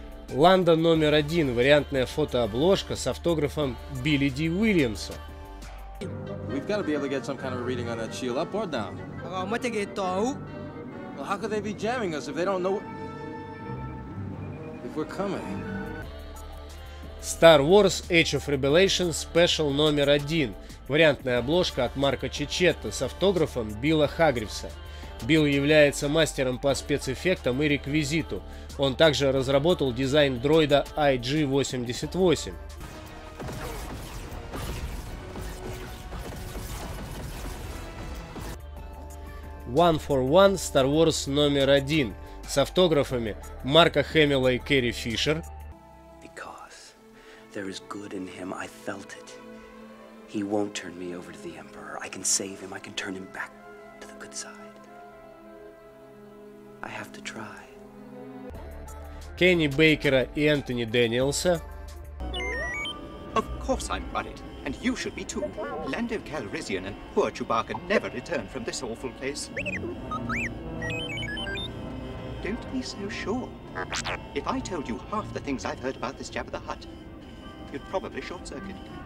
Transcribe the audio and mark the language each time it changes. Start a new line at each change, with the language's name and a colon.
Russian: Ланда номер 1, вариантная фотообложка с автографом Билли Ди Уильямса.
English: We've got to be able to get some kind of a reading on that shield, up or down. Well, how could they be jamming us if they don't know if we're coming?
Russian: Star Wars Age of Rebellion Special номер 1, вариантная обложка от Марка Чичетто с автографом Билла Хагривса. Билл является мастером по спецэффектам и реквизиту. Он также разработал дизайн дроида IG-88. One for One Star Wars номер 1 с автографами Марка Хэмилла и Кэрри Фишер.
English: Because there is good in him, I felt it. He won't turn me over to the Emperor. I can save him, I can turn him back to the good side. I have to try.
Russian: Кенни Бейкера и Энтони Дэниелса.
English: Of course I'm worried, and you should be too. Lando Calrissian and poor Chewbacca never return from this awful place. Don't be so sure. If I told you half the things I've heard about this Jabba the Hutt, you'd probably short-circuit.